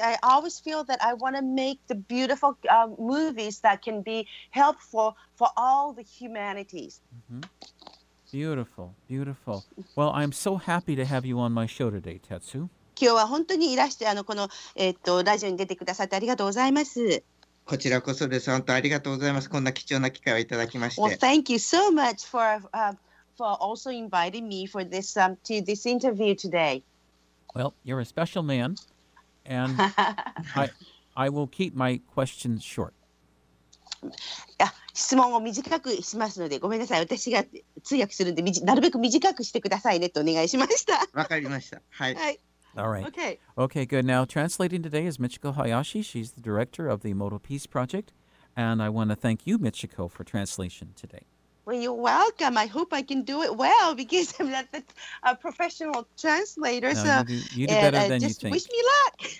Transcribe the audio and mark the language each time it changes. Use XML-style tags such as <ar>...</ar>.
<en>I always feel that I want to make the beautiful movies that can be helpful for all the humanities. Mm-hmm. Beautiful, beautiful. Well, I'm so happy to have you on my show today, Tetsu.</en> <ja>今日は本当にいらして ラジオに出てくださってありがとうございます。こちらこそです。本当ありがとうございます。こんな貴重な機会をいただきまして。</ja> <en>Well, thank you so much for for also inviting me for this to this interview today. Well, you're a special man, and I will keep my questions short.</en> <ja>質問を短くしますので、ごめんなさい。私が通訳するんで、なるべく短くしてくださいねとお願いしました。わかりました。はい。はい。</ja> <en>All right. Okay, good. Now, translating today is Michiko Hayashi. She's the director of the Modal Peace Project. And I want to thank you, Michiko, for translation today. Well, you're welcome. I hope I can do it well because I'm not a professional translator. No, so you do better than you think. Just wish me luck.</en>